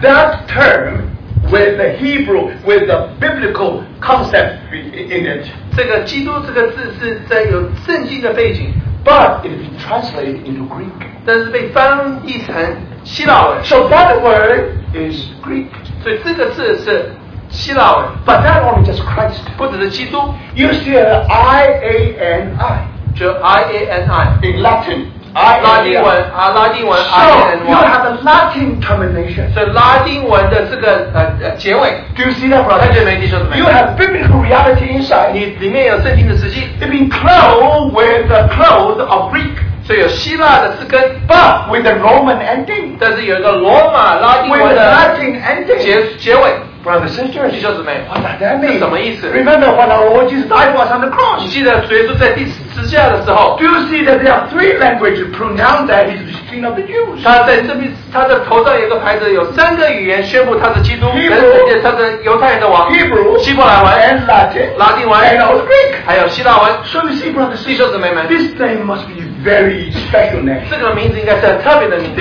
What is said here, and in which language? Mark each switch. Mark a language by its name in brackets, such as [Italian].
[English] that term with the Hebrew, with the biblical concept in it. [Chinese] 这个基督这个字是在有圣经的背景, [English] but it is translated into Greek. [Chinese] 但是被翻译成希腊文, [English] so that word is Greek. [Chinese] 所以这个字是希腊文, [English] but not only just Christ. [Chinese] 不只是基督, [English] you see an I-A-N-I. [Chinese] 就I-A-N-I. [English] In Latin. [Chinese] Latin文, [English] you have a Latin termination. [Chinese] So Latin 文的这个结尾, [English] do you see that, brother? [Chinese] 弟兄姊妹, [English] you have biblical reality inside. [Chinese] 里面有圣经的实际, [English] it's been clothed with the clothes of Greek. [Chinese] 所以有希腊的字根, [English] but with the Roman ending. [Chinese] 但是有一个罗马拉丁文的结尾。 [English] Brothers and sisters, [Chinese] 弟兄姊妹, [English] what does that mean? [Chinese] 这什么意思? [English] Remember when our Lord Jesus died was on the cross. [Chinese] 你记得主耶稣在第十字架的时候, [English] do you see that there are three languages pronounced that he's the king of the Jews? [Chinese] 他在这边,他的头上有个牌子,有三个语言宣布他是基督, [English] Hebrew, [Chinese] 希伯来文, [English] and Latin, [Chinese] 拉丁文, [English] and also Greek, [Chinese] 还有希腊文, [English] so you see, brothers and sisters, this name must be very special name. [Chinese] 这个名字应该是特别的名字,